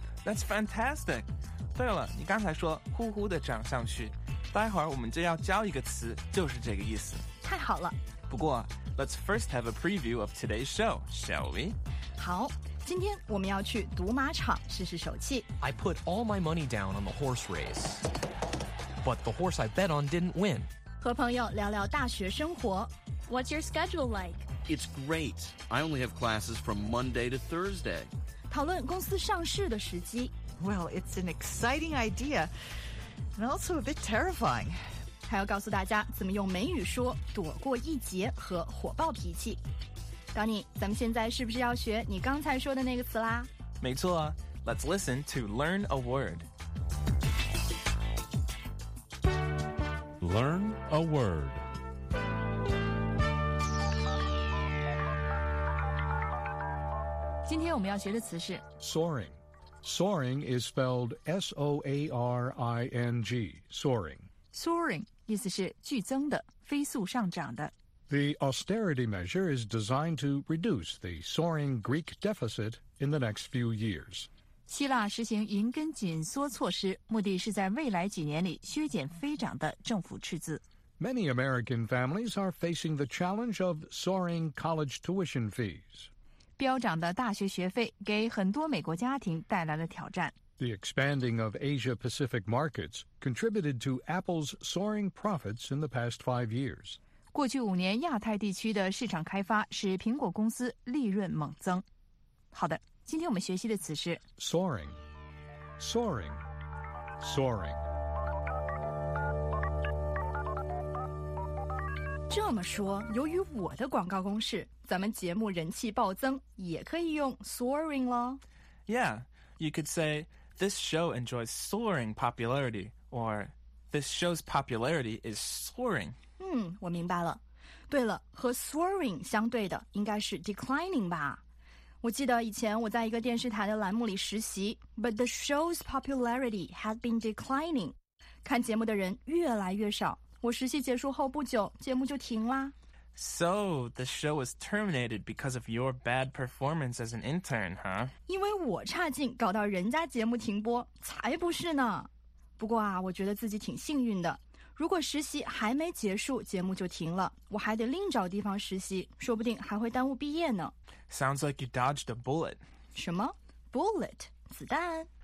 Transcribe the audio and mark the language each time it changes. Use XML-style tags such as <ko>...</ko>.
<en>That's fantastic。</en> <zh>对了，你刚才说呼呼的涨上去，待会儿我们就要教一个词，就是这个意思。太好了。</zh> <en>不过 ，Let's first have a preview of today's show, shall we?</en> <zh>好，今天我们要去赌马场试试手气。</zh> <en>I put all my money down on the horse race. But the horse I bet on didn't win.</en> <zh>和朋友聊聊大学生活。</zh> <en>What's your schedule like? It's great. I only have classes from Monday to Thursday.</en> <zh>讨论公司上市的时机。</zh> <en>Well, it's an exciting idea, and also a bit terrifying.</en> <zh>还要告诉大家怎么用美语说躲过一劫和火爆脾气。 Donnie，咱们现在是不是要学你刚才说的那个词啦？没错啊。</zh> <en>Let's listen to learn a word. Learn a word.</en> <zh>Today, 我们要学的词是</zh> <en>soaring. Soaring is spelled S-O-A-R-I-N-G, soaring.</en> <zh>Soaring 意思是剧增的，飞速上涨的。</zh> <en>The austerity measure is designed to reduce the soaring Greek deficit in the next few years.</en> <zh>希腊实行银根紧缩措施，目的是在未来几年里削减飞涨的政府赤字。</zh> <en>Many American families are facing the challenge of soaring college tuition fees.</en> <zh>飙涨的大学学费给很多美国家庭带来了挑战。</zh> <en>The expanding of Asia-Pacific markets contributed to Apple's soaring profits in the past 5 years.</en> <zh>过去五年亚太地区的市场开发使苹果公司利润猛增。好的。今天我们学习的词是</zh> <en>soaring, soaring, soaring.</en> <zh>这么说，由于我的广告攻势，咱们节目人气暴增，也可以用 soaring 咯。</zh> <en>Yeah, you could say this show enjoys soaring popularity, or this show's popularity is soaring.</en> <zh>我明白了。对了，和 soaring 相对的应该是 declining 吧。我记得以前我在一个电视台的栏目里实习 ，</zh> <en>But the show's popularity had been declining.</en> <zh>看节目的人越来越少。我实习结束后不久，节目就停啦。</zh> <en>So the show was terminated because of your bad performance as an intern, huh?</en> <zh>因为我差劲，搞到人家节目停播，才不是呢。不过啊，我觉得自己挺幸运的。如果实习还没结束，节目就停了，我还得另找地方实习，说不定还会耽误毕业呢。</zh> <en>Sounds like you dodged a bullet.</en> <zh>什么 ？Bullet， 子弹？</zh>